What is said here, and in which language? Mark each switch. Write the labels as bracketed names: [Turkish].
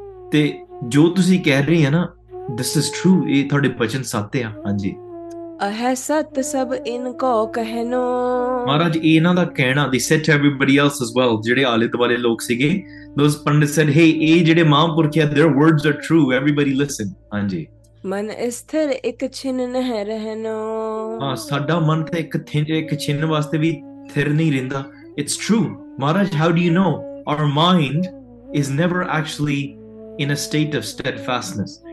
[Punjabi] Te jo tusi keh rahe ho na, [English] this is true. [Punjabi] E thode bachan satte ha, haanji. Ah sat sab in ko kehno. [English] Maharaj, [Punjabi] ena da kehna, [English] they said to everybody else as well, [Punjabi] jede aale tawale log sige, [English] those pandits said, hey, [Punjabi] eh jede mahapurkh hai, [English] their words are true. Everybody listen, haanji. [Punjabi] ਮਨ ਸਥਿਰ ਇੱਕ ਛਿਨ ਨਹਿ ਰਹਿਣੋ ਹਾਂ ਸਾਡਾ ਮਨ ਤੇ ਇੱਕ ਛਿਨ ਵਾਸਤੇ ਵੀ ਥਿਰ ਨਹੀਂ ਰਹਿੰਦਾ [English] It's true. Maharaj, how do you know? Our mind is never actually in a state of steadfastness.